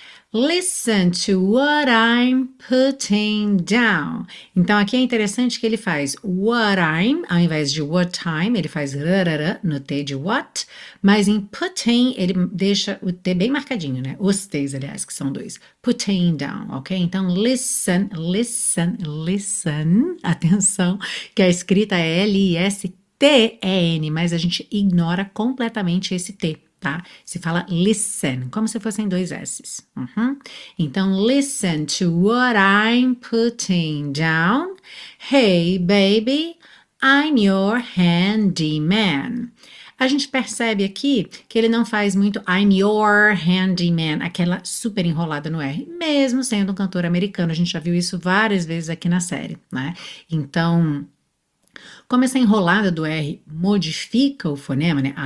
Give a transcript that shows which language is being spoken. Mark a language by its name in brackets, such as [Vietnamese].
[English] Listen to what I'm putting down. [Portuguese] Então aqui é interessante que ele faz what I'm, ao invés de what time, ele faz rarara no T de what, mas em putting ele deixa o T bem marcadinho, né? Os T's, aliás, que são dois. [English] Putting down, [Portuguese] ok? Então, listen, listen, listen. Atenção, que a escrita é L-I-S-T-E-N, mas a gente ignora completamente esse T, tá? Se fala listen, como se fossem dois S's. Uhum. [English] Então, listen to what I'm putting down. Hey, baby, I'm your handyman. [Portuguese] A gente percebe aqui que ele não faz muito [English] I'm your handyman, [Portuguese] aquela super enrolada no R, mesmo sendo um cantor americano. A gente já viu isso várias vezes aqui na série, né? Então, como essa enrolada do R modifica o fonema, né?